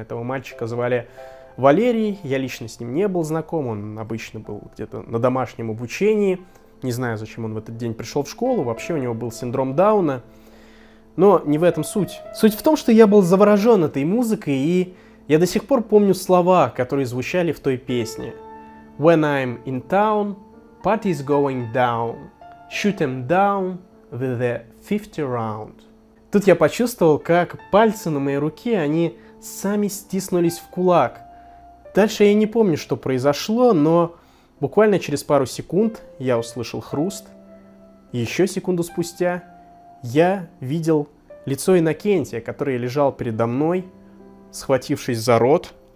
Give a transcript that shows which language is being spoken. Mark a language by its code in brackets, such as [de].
[ru] Этого мальчика звали Валерий. Я лично с ним не был знаком. Он обычно был где-то на домашнем обучении. Не знаю, зачем он в этот день пришел в школу. Вообще у него был синдром Дауна. Но не в этом суть. Суть в том, что я был заворожен этой музыкой, и я до сих пор помню слова, которые звучали в той песне. [en] When I'm in town, party's going down. Shoot 'em down with the 50 round. [ru] Тут я почувствовал, как пальцы на моей руке, они сами стиснулись в кулак. Дальше я не помню, что произошло, но буквально через пару секунд я услышал хруст. Еще секунду спустя я видел лицо Иннокентия, который лежал передо мной, схватившись за рот.